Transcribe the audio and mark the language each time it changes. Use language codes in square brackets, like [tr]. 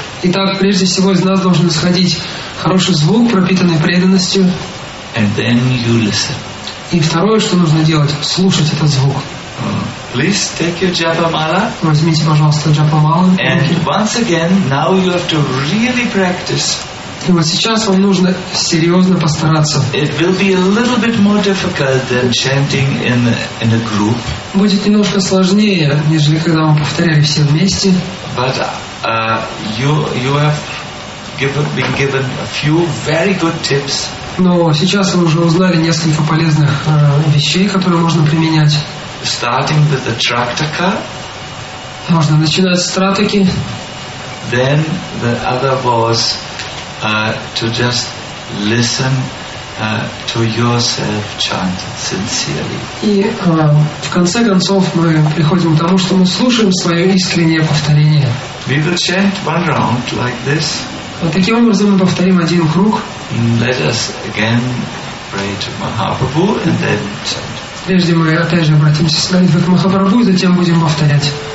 [ru] Итак, прежде всего из нас должен исходить хороший звук, пропитанный преданностью. [en] And then you listen. [ru] И второе, что нужно делать, слушать этот звук. [en] Please take your japa mala. [ru] Возьмите, пожалуйста, japa mala. [en] And once again, now you have to really practice. [ru] И вот сейчас вам нужно серьезно постараться. [en] It will be a little bit more difficult than chanting in a group. [ru] Будет немножко сложнее, нежели когда мы повторяем все вместе. [en] But you have been given a few very good tips. [ru] Но сейчас вы уже узнали несколько полезных вещей, которые можно применять. [en] Starting with the traktaka. [ru] Можно начинать с тратаки. [en] Then the other was to just listen to yourself chant sincerely. [ru] И в конце концов мы приходим к тому, что мы слушаем свое искреннее повторение. [en] We will chant one round like this. [ru] Вот таким образом мы повторим один круг. [en] Let us again pray to Mahaprabhu and then chant. [ru] Прежде мы опять же обратимся с молитвой к Махапрабху и затем будем повторять.